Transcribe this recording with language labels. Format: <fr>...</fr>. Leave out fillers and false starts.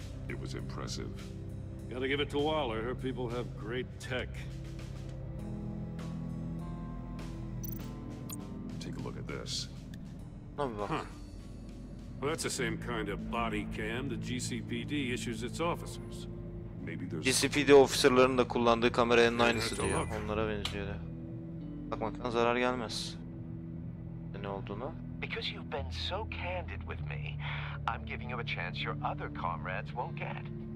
<en>It was impressive. Gotta give it to Waller. Her people have great tech. Take a look at this. Well, that's the same kind of body cam the GCPD issues its officers. Maybe there's</en> <tr>GCPD officerlerinin de kullandığı kameranın aynısı diyor. Onlara benziyor. Bakmaktan zarar gelmez. Ne olduğunu?</tr> <en>Because you've been so candid with me, I'm giving you a chance your other comrades won't get.</en>